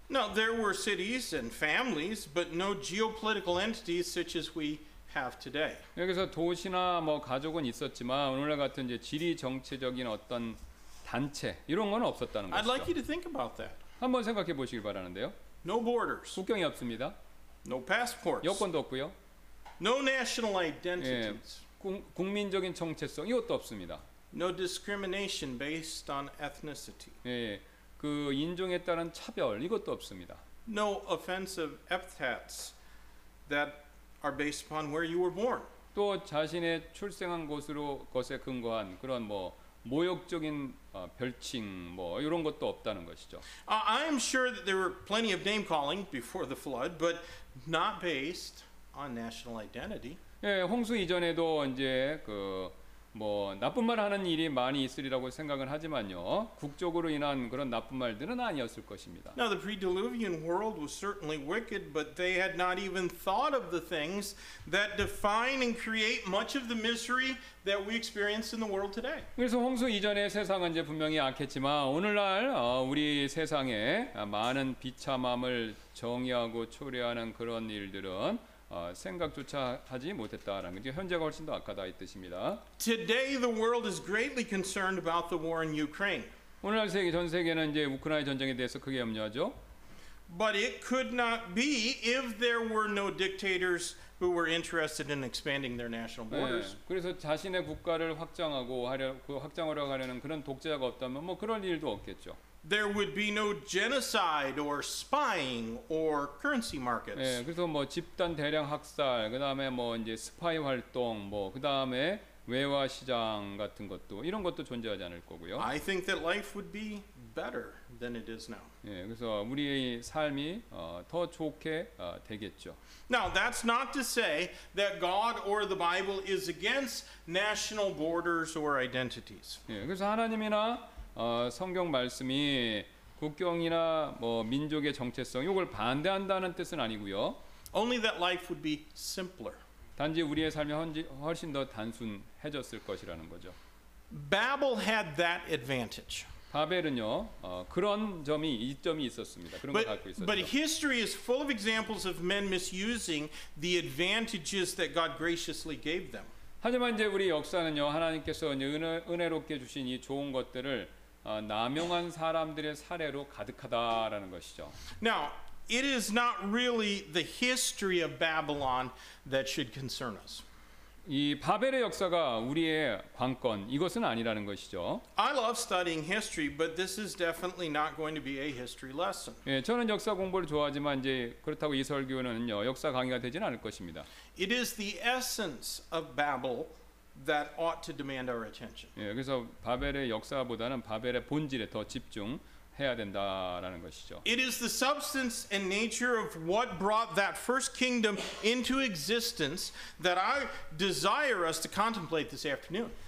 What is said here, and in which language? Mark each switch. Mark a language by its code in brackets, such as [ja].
[en] Now there were cities and families, but no geopolitical entities such as we have today. [ko] 여기서 도시나 뭐 가족은 있었지만 오늘날 같은 이제 지리 정체적인 어떤 단체 이런 건 없었다는 것이죠. [en] I'd like you to think about that. [ko] 한번 생각해 보시길 바라는데요. [en] No borders. [ko] 국경이 없습니다. [en] No passports. [ko] 여권도 없고요. [en] No national identities. [ko] 예, 국민적인 정체성 이것도 없습니다. [en] No discrimination based on ethnicity. [ko] 예, 그 인종에 따른 차별 이것도 없습니다. [en] No offensive epithets that are based upon where you were born. [ko] 또 자신의 출생한 곳으로 것에 근거한 그런 뭐 모욕적인 별칭 뭐 이런 것도 없다는 것이죠. [en] I am sure that there were plenty of name calling before the flood, but not based on national identity. [ko] 예, 홍수 이전에도 이제 그 뭐 나쁜 말 하는 일이 많이 있으리라고 생각은 하지만요. 국적으로 인한 그런 나쁜 말들은 아니었을 것입니다. [en] Now the pre-diluvian world was certainly wicked, but they had not even thought of the things that define and create much of the misery that we experience in the world today. [ko] 그래서 홍수 이전의 세상은 이제 분명히 악했지만 오늘날 우리 세상에 많은 비참함을 정의하고 초래하는 그런 일들은 생각조차 하지 못했다라는 거죠. 현재가 훨씬 더 악하다 이 뜻입니다. [en] Today the world is greatly concerned about the war in Ukraine. [ko] 오늘날 세계 전 세계는 이제 우크라이나 전쟁에 대해서 크게 염려하죠. [en] But it could not be if there were no dictators who were interested in expanding their national borders. [ko] 네, 그래서 자신의 국가를 확장하고 하려 그 확장하려고 하려는 그런 독재자가 없다면 뭐 그런 일도 없겠죠. [en] There would be no genocide or spying or currency markets. [ko] 예, 그래서 뭐 집단 대량 학살, 그다음에 뭐 이제 스파이 활동, 뭐 그다음에 외화 시장 같은 것도 이런 것도 존재하지 않을 거고요. [en] I think that life would be better than it is now. [ko] 예, 그래서 우리의 삶이 더 좋게 되겠죠. [en] Now, that's not to say that God or the Bible is against national borders or identities. [ko] 예, 그래서 하나님이나 성경 말씀이 국경이나 뭐 민족의 정체성 이걸 반대한다는 뜻은 아니고요. [en] Only that life would be simpler. [ko] 단지 우리의 삶이 훨씬 더 단순해졌을 것이라는 거죠. [en] Babel had that advantage. [ko] 바벨은요 그런 점이 이점이 있었습니다. 그런 걸 갖고 있었죠. [en] But history is full of examples of men misusing the advantages that God graciously gave them. [ko] 하지만 이제 우리 역사는요 하나님께서 은혜롭게 주신 이 좋은 것들을 남용한 사람들의 사례로 가득하다라는 것이죠. [en] Now, it is not really the history of Babylon that should concern us. [ko] 이 바벨의 역사가 우리의 관건 이것은 아니라는 것이죠. [en] I love studying history, but this is definitely not going to be a history lesson. [ko] 예, 저는 역사 공부를 좋아하지만 이제 그렇다고 이 설교는요 역사 강의가 되지는 않을 것입니다. [en] It is the essence of Babel that ought to demand our attention. [ko] 예, 그래서 바벨의 역사보다는 바벨의 본질에 더 집중해야 된다라는 것이죠. [en] It is the substance and nature of what brought that first kingdom into existence that I desire us to contemplate this afternoon.